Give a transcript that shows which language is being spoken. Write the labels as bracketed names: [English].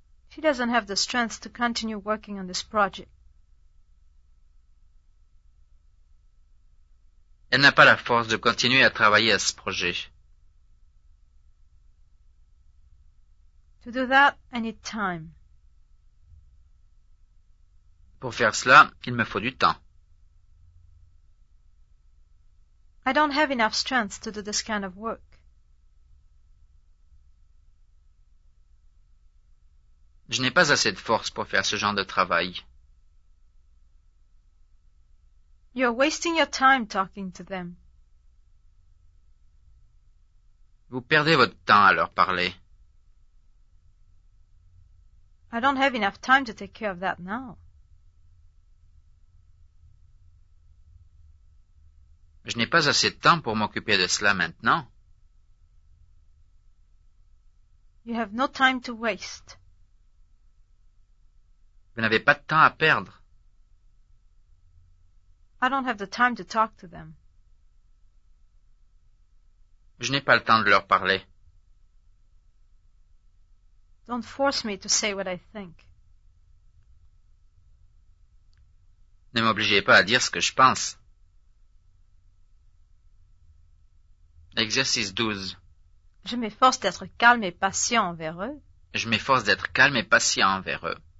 [English] She doesn't have the strength to continue working on this project. [French] Elle n'a pas la force de continuer à travailler à ce projet. [English] To do that, I need time. [French] Pour faire cela, il me faut du temps. [English] I don't have enough strength to do this kind of work. [French] Je n'ai pas assez de force pour faire ce genre de travail. [English] You're wasting your time talking to them. [French] Vous perdez votre temps à leur parler. [English] I don't have enough time to take care of that now. [French] Je n'ai pas assez de temps pour m'occuper de cela maintenant. [English] You have no time to waste. [French] Vous n'avez pas de temps à perdre. [English] I don't have the time to talk to them. [French] Je n'ai pas le temps de leur parler. [English] Don't force me to say what I think. [French] Ne m'obligez pas à dire ce que je pense. Exercice 12. Je m'efforce d'être calme et patient envers eux. Je m'efforce d'être calme et patient envers eux.